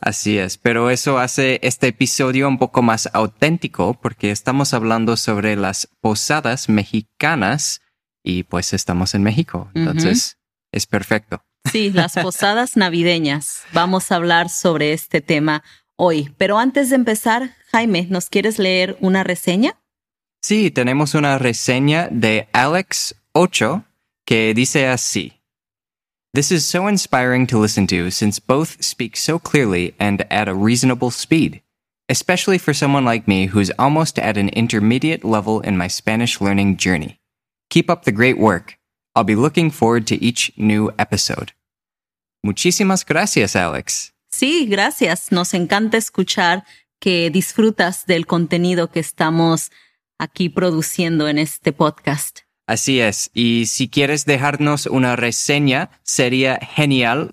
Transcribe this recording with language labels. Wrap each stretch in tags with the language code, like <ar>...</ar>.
<es>Así es, pero eso hace este episodio un poco más auténtico porque estamos hablando sobre las posadas mexicanas y pues estamos en México, entonces es perfecto. Sí, las posadas navideñas. Vamos a hablar sobre este tema hoy, pero antes de empezar, Jaime, ¿nos quieres leer una reseña? Sí, tenemos una reseña de Alex8 que dice así.</es> <en>This is so inspiring to listen to since both speak so clearly and at a reasonable speed, especially for someone like me who's almost at an intermediate level in my Spanish learning journey. Keep up the great work. I'll be looking forward to each new episode.</en> <es>Muchísimas gracias, Alex. Sí, gracias. Nos encanta escuchar que disfrutas del contenido que estamos aquí produciendo en este podcast. Así es. Y si quieres dejarnos una reseña, sería genial.</es>